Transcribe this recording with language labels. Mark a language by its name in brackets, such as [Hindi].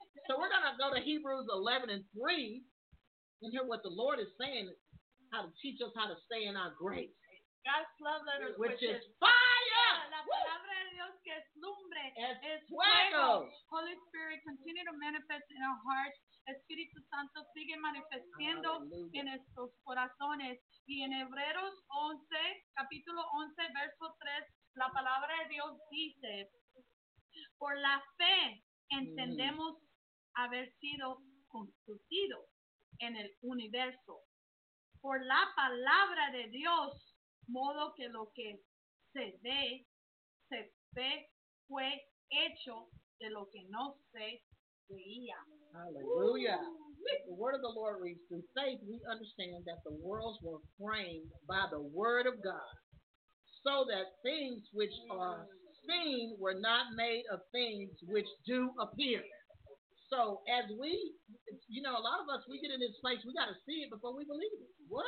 [English] So we're going to go to Hebrews 11:3 and hear what the Lord is saying, how to teach us how to stay in our grace. God's love letters, which is fire. [Spanish] La palabra de Dios que es lumbre. Es fuego. [English] Holy Spirit, continue to manifest in our hearts. [Spanish] Espíritu Santo sigue manifestando en estos corazones. Y en Hebreos 11, capítulo 11, verso 3, la palabra de Dios dice, por la fe entendemos haber sido constituido en el universo. Por la palabra de Dios, modo que lo que se ve fue hecho de lo que no se veía. Hallelujah. Ooh. [English] The word of the Lord reads, through faith we understand that the worlds were framed by the word of God, so that things which are seen were not made of things which do appear. So as we, you know, a lot of us, we get in this place, we got to see it before we believe it. What?